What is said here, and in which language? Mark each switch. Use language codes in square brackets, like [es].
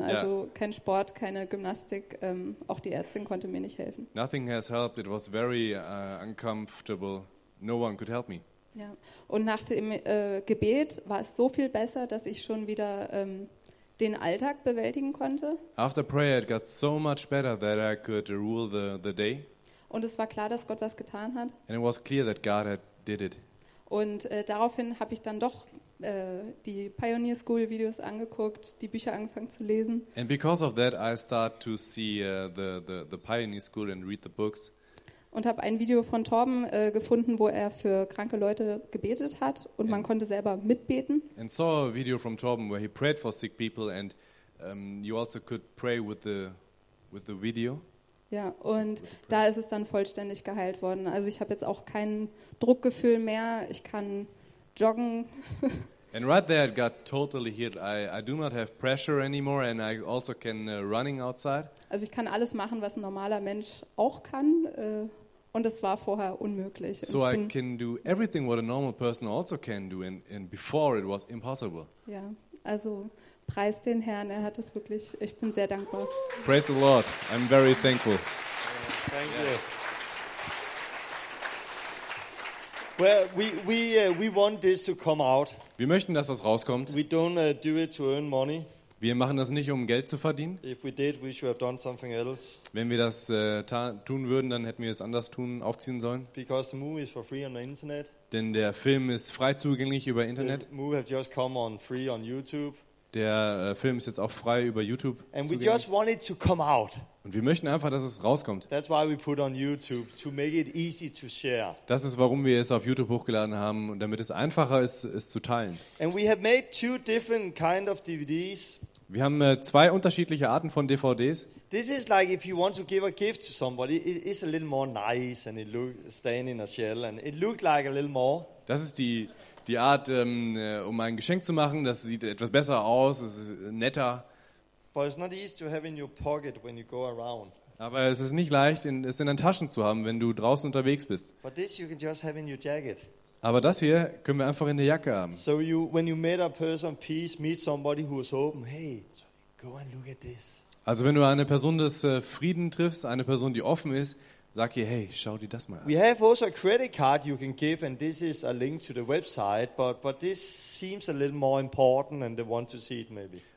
[de] Also kein Sport, keine Gymnastik. Auch die Ärztin konnte mir nicht helfen. [en] Nothing has helped. It was very uncomfortable. No one could help me. [de] Ja, und nach dem Gebet war es so viel besser, dass ich schon wieder den Alltag bewältigen konnte. [en] After prayer, it got so much better that I could rule the day. [de] Und es war klar, dass Gott was getan hat. [en] And it was clear that God had did it. [de] Und daraufhin habe ich dann doch die Pioneer School Videos angeguckt, die Bücher angefangen zu lesen. [en] And because of that, I start to see the Pioneer School and read the books. [de] Und habe ein Video von Torben gefunden, wo er für kranke Leute gebetet hat und man konnte selber mitbeten. [en] And saw a video from Torben where he prayed for sick people and you also could pray with the video. [de] Ja, und da ist es dann vollständig geheilt worden. Also ich habe jetzt auch kein Druckgefühl mehr. Ich kann joggen. [en] And right there it got totally healed. I do not have pressure anymore and I also can running outside. [de] Also ich kann alles machen, was ein normaler Mensch auch kann. Und das war vorher unmöglich. [en] So I can do everything what a normal person also can do and before it was impossible. [de] Ja, also preis den Herrn, er hat es wirklich, ich bin sehr dankbar. [en] Praise the Lord, I'm very thankful. Thank you. Well, we want this to come out. [de] Wir möchten, dass das rauskommt. [en] We don't do it to earn money. [de] Wir machen das nicht, um Geld zu verdienen. [en] If we did, we should have done something else. [de] Wenn wir das tun würden, dann hätten wir es anders tun, aufziehen sollen. [en] Because the movie is for free on the internet. [de] Denn der Film ist frei zugänglich über Internet. [en] The movie has just come on free on YouTube. [de] Der Film ist jetzt auch frei über YouTube. [en] And we just want it to come out. [de] Und wir möchten einfach, dass es rauskommt. [en] That's why we put on YouTube, to make it easy to share. [de] Das ist, warum wir es auf YouTube hochgeladen haben, damit es einfacher ist, es zu teilen. [en] And we have made two different kind of DVDs. [de] Wir haben zwei unterschiedliche Arten von DVDs. [en] This is like if you want to give a gift to somebody, it is a little more nice and it look staying in a shell and it looked like a little more. [de] Das ist die Art, um ein Geschenk zu machen, das sieht etwas besser aus, es ist netter. [en] But it's not easy to have in your pocket when you go around. [de] Aber es ist nicht leicht, es in den Taschen zu haben, wenn du draußen unterwegs bist. [en] But this you can just have in your jacket. [de] Aber das hier können wir einfach in der Jacke haben. [en] So you, when you meet a person, peace, meet somebody who is open. Hey, go and look at this. [de] Also wenn du eine Person des Frieden triffst, eine Person, die offen ist, sag ihr, hey, schau dir das mal an. [en] We have also a credit card you can give and this is a link to the website, but this seems a little more important and they want to see it maybe.